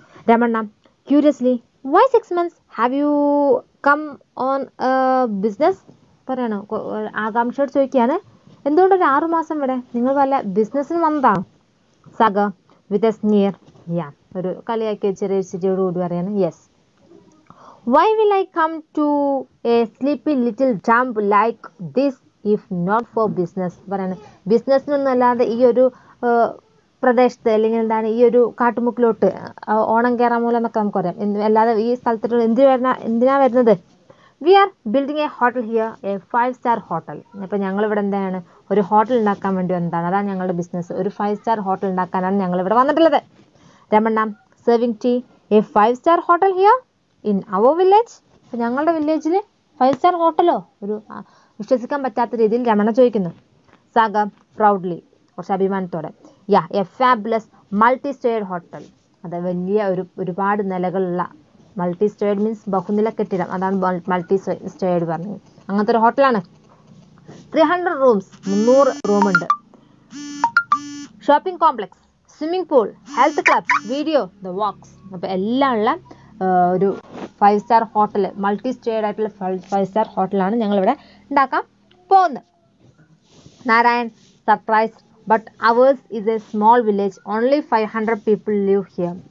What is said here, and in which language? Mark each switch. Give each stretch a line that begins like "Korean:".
English: Ramanna curiously, why 6 months, have you come on business?
Malayalam: പറയണം, ആകാംക്ഷയോട് ചോദിക്കുകയാണ്, എന്തുകൊണ്ട് ഒരു 6 മാസം വരെ, നിങ്ങൾ വല്ല ബിസിനസ്സിന് വന്നതാണ്? സഗ
English: with a sneer,
Malayalam: യാ, ഒരു കളിയാക്കി ചെറിയ ചിരിയോട് കൂടി പറയാണ്, yes.
English: Why will I come to a sleepy little dump like this if not for business?
Malayalam: പറയാണ്, ബിസിനസ് എന്നല്ലാതെ ഈ ഒരു പ്രദേശത്ത്, അല്ലെങ്കിൽ എന്താണ് ഈ ഒരു കാട്ടുമുക്കിലോട്ട് ഓണം കയറാൻ മൂലം എന്നൊക്കെ നമുക്കറിയാം, അല്ലാതെ ഈ സ്ഥലത്തോട്ട് എന്തിനാണ് വരുന്നത്.
English: We are building a hotel here, a 5-star hotel.
Malayalam: അപ്പോൾ ഞങ്ങളിവിടെ എന്താണ്, ഒരു ഹോട്ടൽ ഉണ്ടാക്കാൻ വേണ്ടി വന്നതാണ്, അതാണ് ഞങ്ങളുടെ ബിസിനസ്, ഒരു 5-star hotel ഉണ്ടാക്കാനാണ് ഞങ്ങളിവിടെ വന്നിട്ടുള്ളത്.
English: Ramanna serving tea, a 5-star hotel here in our village.
Malayalam: അപ്പോൾ ഞങ്ങളുടെ വില്ലേജിൽ 5-star hotel ഒരു വിശ്വസിക്കാൻ പറ്റാത്ത രീതിയിൽ രമണ ചോദിക്കുന്നു.
English: Saga proudly,
Malayalam: കുറച്ച് അഭിമാനത്തോടെ,
English: Yeah, a fabulous multi storeyed hotel.
Malayalam: അത് വലിയ ഒരുപാട് നിലകളുള്ള, മൾട്ടി സ്റ്റേഡ് മീൻസ് ബഹുനില കെട്ടിടം, അതാണ് മൾട്ടി സ്റ്റേഡ് പറഞ്ഞത്, അങ്ങനത്തെ ഒരു ഹോട്ടലാണ്.
English: 300 rooms, 300 room ഉണ്ട്. Shopping complex, swimming pool, health club, video, the works.
Malayalam: അപ്പോൾ എല്ലാം ഉള്ള ഒരു 5-star hotel, മൾട്ടി സ്റ്റേഡ് ആയിട്ടുള്ള 5-star hotel ഞങ്ങളിവിടെ ഉണ്ടാക്കാൻ പോകുന്നത്.
English: Narayan surprise, but ours is a small village, only 500 people live here.